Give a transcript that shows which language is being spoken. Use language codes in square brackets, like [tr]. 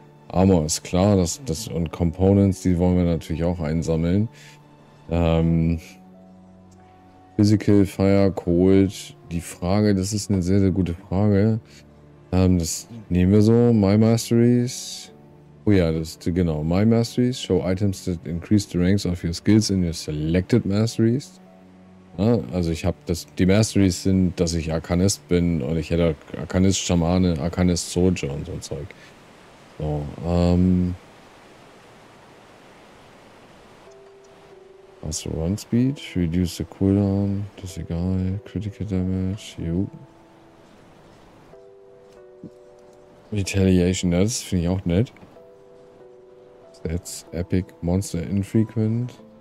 [de] Armor ist klar, das und Components, die wollen wir natürlich auch einsammeln. Physical, Fire, Cold, die Frage, das ist eine sehr, sehr gute Frage. Das nehmen wir so, My Masteries. Oh ja, das ist genau. [en] My Masteries show items that increase the ranks of your skills in your selected Masteries. [de] Ja, also ich habe das. Die Masteries sind, dass ich Arcanist bin und ich hätte Arcanist Schamane, Arcanist Soldier und so ein Zeug. So, also Run Speed, [en] reduce the cooldown, [de] das ist egal. Critical Damage, jo. Retaliation, das finde ich auch nett. [en] That's epic monster infrequent.